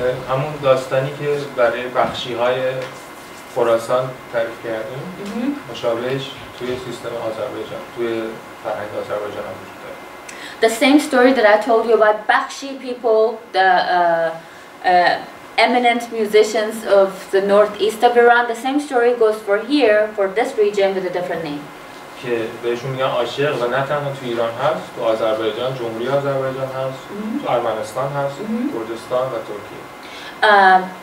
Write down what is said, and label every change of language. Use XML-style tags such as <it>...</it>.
<fa>همون داستانی که برای بخشی‌های خراسان تعریف کردیم مشابهش توی سیستم آذربایجان توی فرهنگ آذربایجان هم وجود داره.</fa> <en>The same story that I told you about Bakshi people, the eminent musicians of the northeast of Iran, the same story goes for here, for this region with a different name.</en> <fa>که بهشون میگن عاشق و نه تنها تو ایران هست، تو آذربایجان، جمهوری آذربایجان هست، تو ارمنستان هست، کردستان و ترکیه.</fa>